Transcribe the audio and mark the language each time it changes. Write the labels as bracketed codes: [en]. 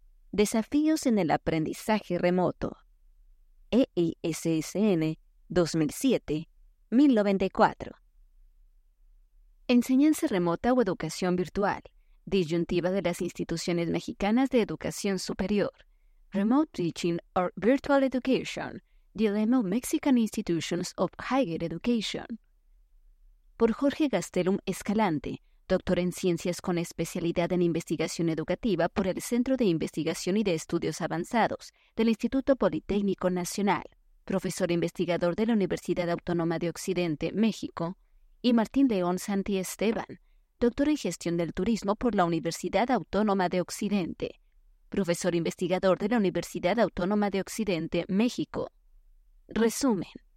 [es] Desafíos en el aprendizaje remoto. EISSN 2007-1094. Enseñanza remota o educación virtual. Disyuntiva de las instituciones mexicanas de educación superior. [en] Remote Teaching or Virtual Education. Dilemma of Mexican Institutions of Higher Education. [es] Por Jorge Gastelum Escalante, doctor en ciencias con especialidad en investigación educativa por el Centro de Investigación y de Estudios Avanzados del Instituto Politécnico Nacional, profesor investigador de la Universidad Autónoma de Occidente, México, y Martín León Santi Esteban, doctor en gestión del turismo por la Universidad Autónoma de Occidente, profesor investigador de la Universidad Autónoma de Occidente, México. Resumen.